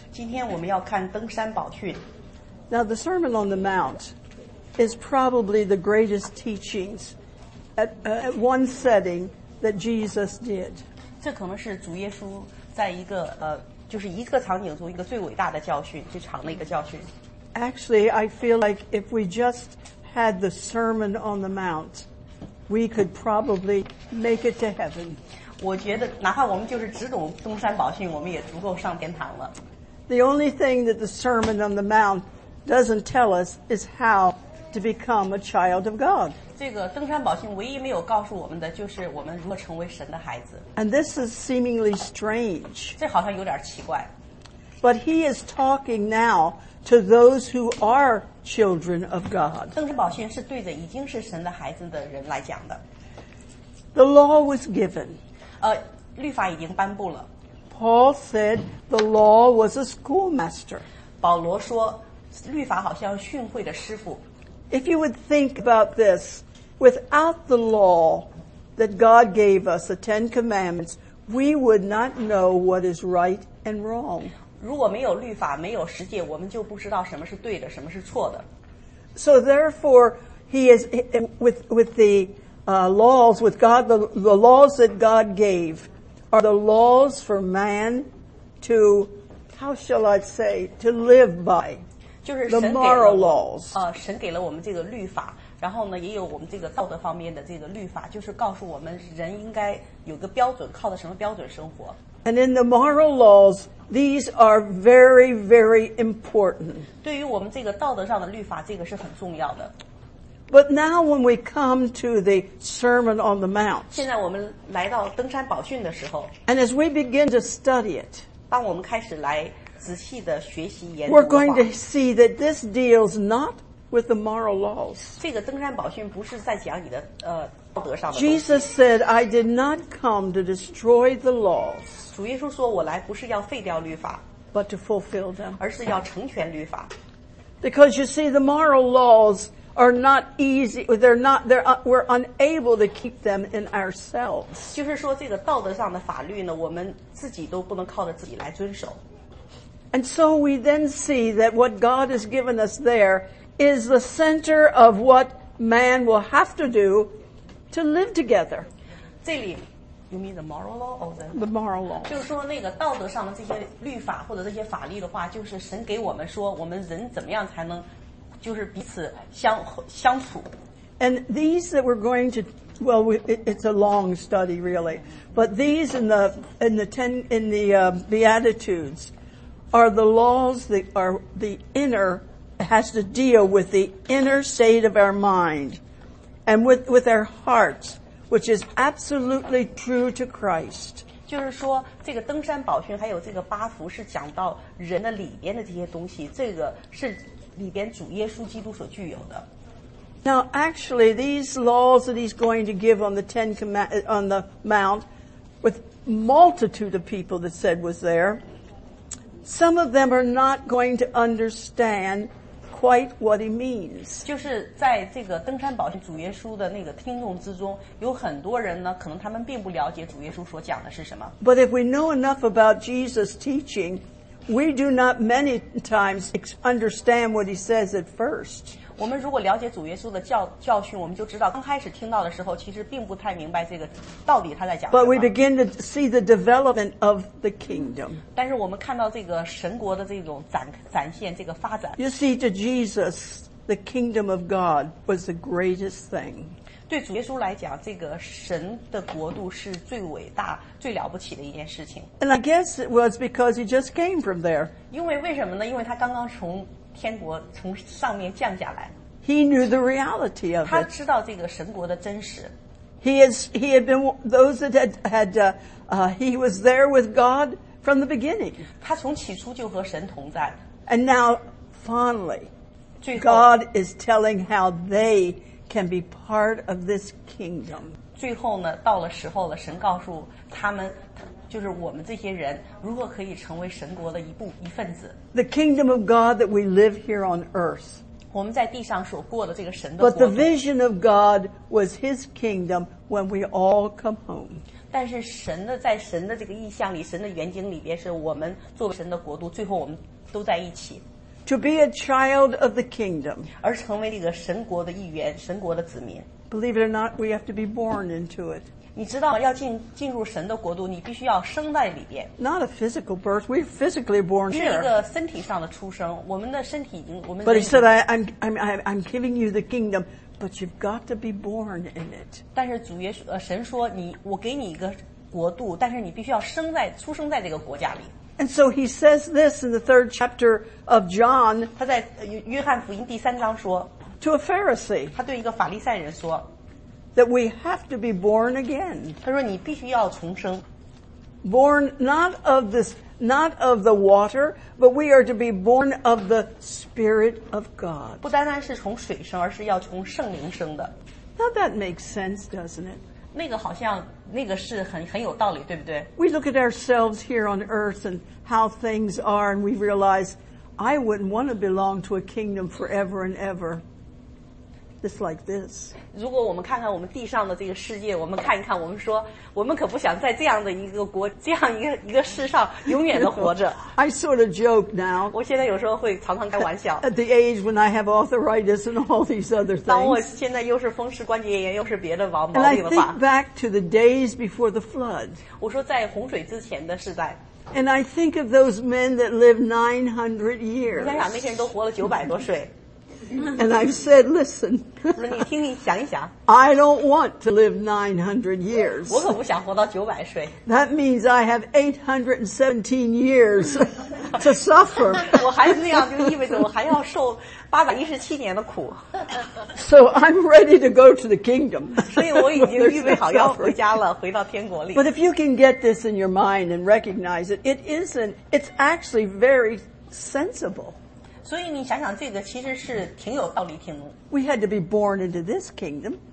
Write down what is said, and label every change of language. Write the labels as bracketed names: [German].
[Chinese] 今天我们要看登山宝训。 [English] Now the Sermon on the Mount is probably the greatest teachings at one setting that Jesus did. [Chinese] 这可能是主耶稣在一个就是一个场景中一个最伟大的教训，最长的一个教训。 [English] Actually, I feel like if we just had the Sermon on the Mount, we could probably make it to heaven. [Chinese] 我觉得哪怕我们就是只懂东山宝训，我们也足够上天堂了。 [English] The only thing that the Sermon on the Mount doesn't tell us is how to become a child of God. [Chinese] 这个登山宝训唯一没有告诉我们的就是我们如何成为神的孩子。 [English] And this is seemingly strange. [Chinese] 这好像有点奇怪。 [English] But he is talking now to those who are children of God. [Chinese] 登山宝训是对着已经是神的孩子的人来讲的。 [English] The law was given. [Chinese] 律法已经颁布了。 [English] Paul said the law was a schoolmaster. [Chinese] 保罗说律法好像训诲的师傅。 [English] If you would think about this, without the law that God gave us, the Ten Commandments, we would not know what is right and wrong. [Chinese] 如果没有律法，没有十诫，我们就不知道什么是对的，什么是错的。 [English] So therefore, he is with the laws with God. The laws that God gave are the laws for man to, how shall I say, to live by. [Chinese] 就是、 [English] the moral laws. [Chinese] 神给了我们这个律法，然后呢，也有我们这个道德方面的这个律法，就是告诉我们人应该有个标准，靠的什么标准生活。 [English] And in the moral laws, these are very, very important. [Chinese] 对于我们这个道德上的律法，这个是很重要的。 [English] But now, when we come to the Sermon on the Mount, [Chinese] 现在我们来到登山宝训的时候 [English] ，and as we begin to study it, [Chinese] 当我们开始来。 [English] We're going to see that this deals not with the moral laws. [Chinese] 这个登山宝训不是在讲你的道德上的。 [English] Jesus said, "I did not come to destroy the laws." [Chinese] 主耶稣说我来不是要废掉律法 [English] ，but to fulfill them. [Chinese] 而是要成全律法。 [English] Because you see, the moral laws are not easy. We're unable to keep them in ourselves. [Chinese] 就是说，这个道德上的法律呢，我们自己都不能靠着自己来遵守。 [English] And so we then see that what God has given us there is the center of what man will have to do to live together. [Chinese] 这里 [English] ，you mean the moral law or the moral law? [Chinese] 就是说那个道德上的这些律法或者这些法律的话，就是神给我们说，我们人怎么样才能就是彼此相处。 [English] And these that we're going to, well, it's a long study, really. But these Beatitudes. Are the laws that are the inner has to deal with the inner state of our mind, and with our hearts, which is absolutely true to Christ. [Chinese] 就是说，这个登山宝训还有这个八福是讲到人的里边的这些东西，这个是里边主耶稣基督所具有的。 [English] Now, actually, these laws that he's going to give on the Ten Command on the Mount, with multitude of people that said was there. Some of them are not going to understand quite what he means. [Chinese] 就是在这个登山宝训主耶稣的那个听众之中，有很多人呢，可能他们并不了解主耶稣所讲的是什么。 [English] But if we know enough about Jesus' teaching, we do not many times understand what he says at first. [Chinese] 我们如果了解主耶稣的教训，我们就知道刚开始听到的时候，其实并不太明白这个到底他在讲什么。 [English] But we begin to see the development of the kingdom. [Chinese] 但是我们看到这个神国的这种展现，这个发展。 [English] You see, to Jesus, the kingdom of God was the greatest thing. [Chinese] 对主耶稣来讲，这个神的国度是最伟大、最了不起的一件事情。 [English] And I guess it was because he just came from there. [Chinese] 因为什么呢？因为他刚刚从天国从上面降下来。 [English] He knew the reality of it. [Chinese] 他知道这个神国的真实。 [English] He was there with God from the beginning. [Chinese] 他从起初就和神同在。 [English] And now, finally, God is telling how they can be part of this kingdom. [Chinese] 最后呢，到了时候了，神告诉他们。就是我们这些人如何可以成为神国的一份子。 [English] The kingdom of God that we live here on earth But the vision of God was His kingdom when we all come home. [Chinese] 但是神的在神的这个意象里，神的远景里边，是我们作为神的国度，最后我们都在一起。 [English] To be a child of the kingdom. [Chinese] 而成为这个神国的一员，神国的子民。 [English] Believe it or not, we have to be born into it. [Chinese] 你知道吗？要进入神的国度，你必须要生在里边。 [English] Not a physical birth. We're physically born here. [Chinese] 是一个身体上的出生。我们的身体已经我们。 [English] But he said, I'm giving you the kingdom. But you've got to be born in it. [Chinese] 但是主耶稣神说你我给你一个国度，但是你必须要生在出生在这个国家里。 [English] And so he says this in the third chapter of John. [Chinese] 他在约翰福音第三章说 [English] ，To a Pharisee. [Chinese] 他对一个法利赛人说 [English] ，That we have to be born again. [Chinese] 他说你必须要重生。 [English] Born not of this, not of the water, but we are to be born of the Spirit of God. [Chinese] 不单单是从水生，而是要从圣灵生的。 [English] Now that makes sense, doesn't it? [Chinese] 那个好像那个是很有道理，对不对 [English] ？We look at ourselves here on earth and how things are, and we realize I wouldn't want to belong to a kingdom forever and ever. Just like this. [Chinese] 如果我们看看我们地上的这个世界，我们看一看，我们说，我们可不想在这样的一个国，这样一个世上永远的活着。 [English] You know, I sort of joke now. [Chinese] 我现在有时候会常常开玩笑。 [English] At the age when I have arthritis and all these other things. [Chinese] 当我现在又是风湿关节炎，又是别的毛病了吧。 [English] And I think back to the days before the flood. [Chinese] 我说在洪水之前的时代。 [English] And I think of those men that lived 900 years. [Chinese] 我想想那些人都活了900多岁。 [English] And I've said, listen, [Chinese] 你听你想一想 [English] I don't want to live 900 years. [Chinese] 我可不想活到900岁 [English] That means I have 817 years to suffer. [Chinese] 我还是那样就意味着我还要受817年的苦 [English] So I'm ready to go to the kingdom. [Chinese] 所以我已经预备好要回家了回到天国里 [English] But if you can get this in your mind and recognize it, it isn't, it's actually very sensible. [Chinese] 所以你想想，这个其实是挺有道理，挺。 [English] We had to be born into this kingdom.